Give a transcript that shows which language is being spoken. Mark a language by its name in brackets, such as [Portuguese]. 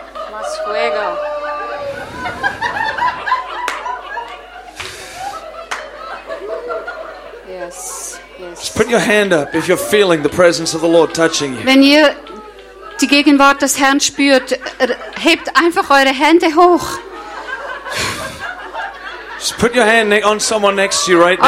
[Spanish] Más fuego. [English] Yes. Just put your hand up if you're feeling the presence of the Lord touching you. [German] Wenn ihr die Gegenwart des Herrn spürt, hebt einfach eure Hände hoch. [English] Just put your hand on someone next to you right now.